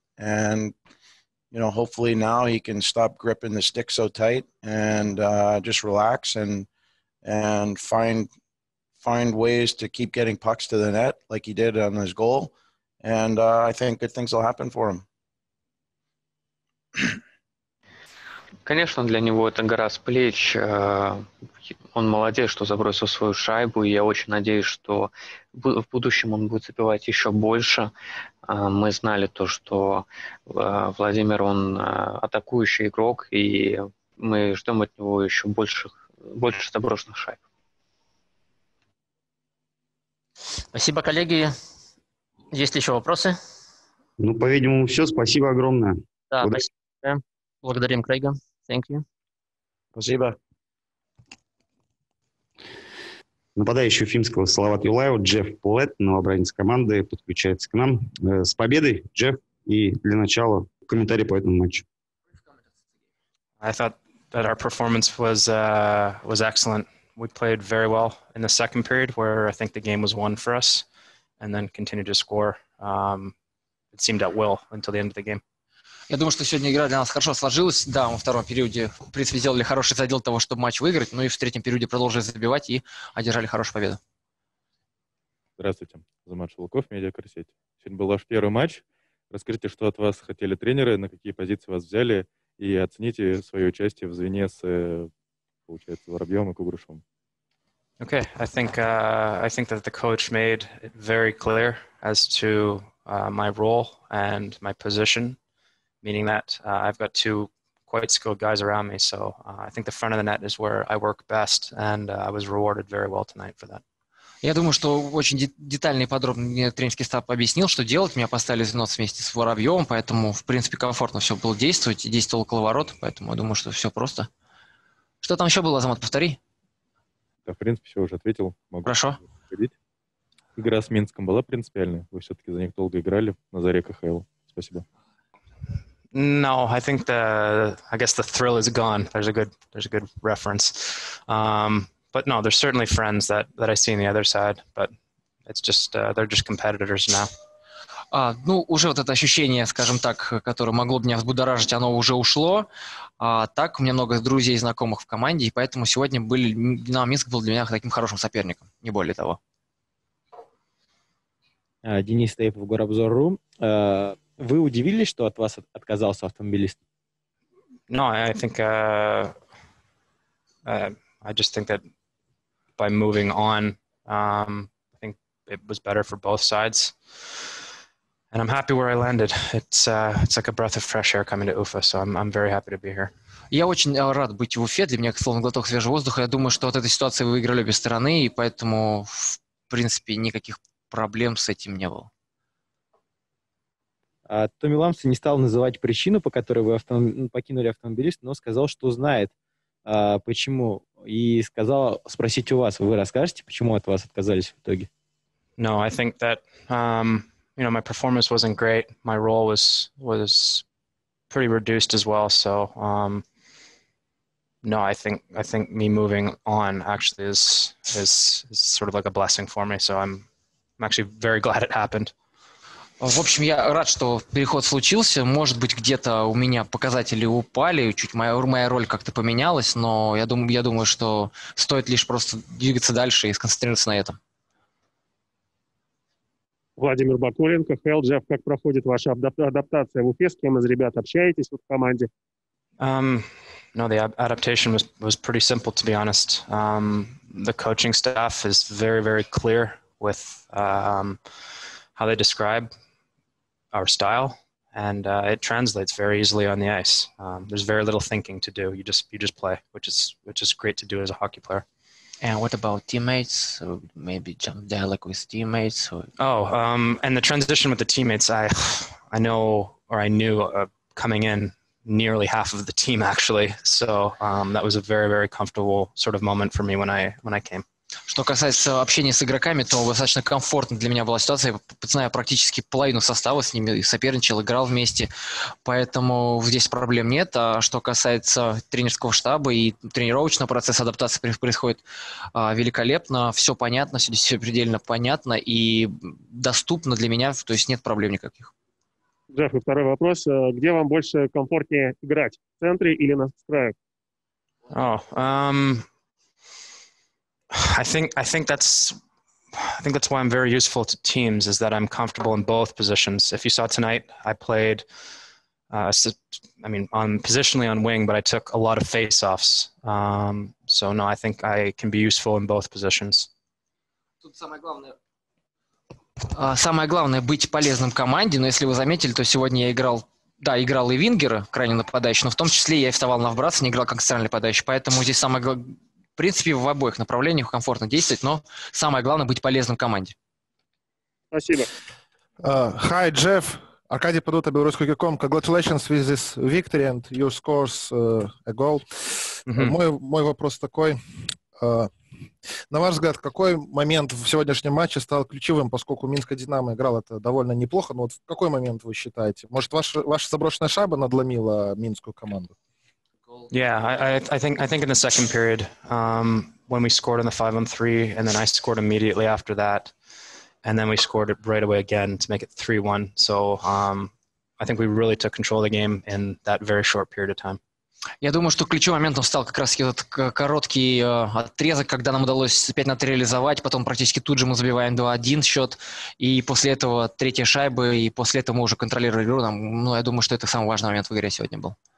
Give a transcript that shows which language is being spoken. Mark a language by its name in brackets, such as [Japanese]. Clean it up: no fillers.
[English] And, you know, hopefully now he can stop gripping the stick so tight and just relax and find ways to keep getting pucks to the net like he did on his goal. And I think good things will happen for him. [Russian] Конечно, для него это гора с плеч. Он молодец, что забросил свою шайбу. И я очень надеюсь, что в будущем он будет забивать еще больше. Мы знали то, что Владимир, он атакующий игрок. И мы ждем от него еще больше заброшенных шайб. Спасибо, коллеги. Есть еще вопросы? Ну, по-видимому, все. Спасибо огромное. Да, спасибо. Благодарим Крейга. [English] Thank you. [Russian] Спасибо. Нападающий уфимского Салават Юлаева Джефф Плетт, новобранец команды, подключается к нам. С победой, Джефф, и для начала комментарий по этому матчу. [English] I thought that our performance was excellent. We played very well in the second period, where I think the game was won for us, and then continued to score. It seemed at will until the end of the game. [Russian] Я думаю, что сегодня игра для нас хорошо сложилась. Да, мы во втором периоде, в принципе, сделали хороший задел того, чтобы матч выиграть, но и в третьем периоде продолжили забивать и одержали хорошую победу. Здравствуйте. Замат Шелуков, Медиакарсеть. Сегодня был ваш первый матч. Расскажите, что от вас хотели тренеры, на какие позиции вас взяли, и оцените свое участие в звене с, получается, Воробьем и Кугрышевым. [English] Okay, I think that the coach made it very clear as to my role and my position. Meaning that I've got two quite skilled guys around me, so I think the front of the net is where I work best, and I was rewarded very well tonight for that. [Russian] Я думаю, что очень детально и подробно мне тренерский штаб объяснил, что делать. Меня поставили звеноц вместе с Воробьевым, поэтому, в принципе, комфортно все было действовать. Действовал около ворот, поэтому я думаю, что все просто. Что там еще было, Азамат, повтори. Да, в принципе, все уже ответил. Могу. Хорошо. Игра с Минском была принципиальной? Вы все-таки за них долго играли на заре КХЛ. Спасибо. [English] No, I think the thrill is gone. There's a good reference. But no, there's certainly friends that I see on the other side, but it's just they're just competitors now. [Russian] Ну, уже вот это ощущение, скажем так, которое могло бы меня взбудоражить, оно уже ушло. Так у меня много друзей и знакомых в команде, и поэтому сегодня были Динамо Минск был для меня таким хорошим соперником, не более того. Денис Тейпов, Горобзор.ру. Вы удивились, что от вас отказался автомобилист? [English] No, I think I just think that by moving on, I think it was better for both sides. And I'm happy where I landed. It's like a breath of fresh air coming to Ufa, so I'm very happy to be here. [Russian] Я очень рад быть в Уфе. Для меня словно глоток свежего воздуха. Я думаю, что от этой ситуации выиграли обе стороны, и поэтому, в принципе, никаких проблем с этим не было. Томми Ламса не стал называть причину, по которой вы покинули автомобилист, но сказал, что знает, почему. И сказал спросить у вас. Вы расскажете, почему от вас отказались в итоге? [English] No, I think that, you know, my performance wasn't great. My role was pretty reduced as well. So, no, I think me moving on actually is sort of like a blessing for me. So I'm actually very glad it happened. [Russian] В общем, я рад, что переход случился. Может быть, где-то у меня показатели упали, чуть моя роль как-то поменялась, но я думаю, что стоит лишь просто двигаться дальше и сконцентрироваться на этом. Владимир Бакуленко, Хэлл, Джефф, как проходит ваша адаптация в Уфе? С кем из ребят общаетесь в команде? [English] No, the adaptation was pretty simple, to be honest. The coaching staff is very, very clear with how they describe our style, and it translates very easily on the ice. There's very little thinking to do. You just play, which is great to do as a hockey player. And what about teammates? Maybe jump dialogue with teammates? And the transition with the teammates, I know, or I knew coming in nearly half of the team, actually. So that was a very, very comfortable sort of moment for me when I came. [Russian] Что касается общения с игроками, то достаточно комфортно для меня была ситуация. Я знаю практически половину состава с ними, соперничал, играл вместе. Поэтому здесь проблем нет. А что касается тренерского штаба и тренировочного процесса, адаптации происходит великолепно. Все понятно, все здесь все предельно понятно и доступно для меня. То есть нет проблем никаких. Джефф, и второй вопрос. Где вам больше комфортнее играть? В центре или на краю? [English] I think that's why I'm very useful to teams, is that I'm comfortable in both positions. If you saw tonight, I played, on positionally on wing, but I took a lot of face-offs. I think I can be useful in both positions. [Russian] Самое главное быть полезным команде, но если вы заметили, то сегодня я играл. Да, играл и вингера, крайне нападающий, но в том числе я и вставал на вбрасывание, играл как центральный нападающий. Поэтому здесь самое главное. В принципе, в обоих направлениях комфортно действовать, но самое главное — быть полезным команде. Спасибо. [English] Hi, Jeff. [Russian] Аркадий Падута, белорусский.com. [English] Congratulations with this victory and your scores a goal. [Russian] Mm-hmm. Мой вопрос такой. На ваш взгляд, какой момент в сегодняшнем матче стал ключевым, поскольку Минская «Динамо» играла это довольно неплохо, но вот в какой момент вы считаете? Может, ваша заброшенная шайба надломила минскую команду? [English] Yeah, I think in the second period, when we scored on the 5-on-3, and then I scored immediately after that, and then we scored it right away again to make it 3-1. So I think we really took control of the game in that very short period of time. [Russian] Я думаю, что ключевым моментом стал как раз этот короткий отрезок, когда нам удалось 5-3 реализовать, потом практически тут же мы забиваем 2-1 счет, и после этого третья шайба, и после этого мы уже контролировали игру. Ну, я думаю, что это самый важный момент в игре сегодня был.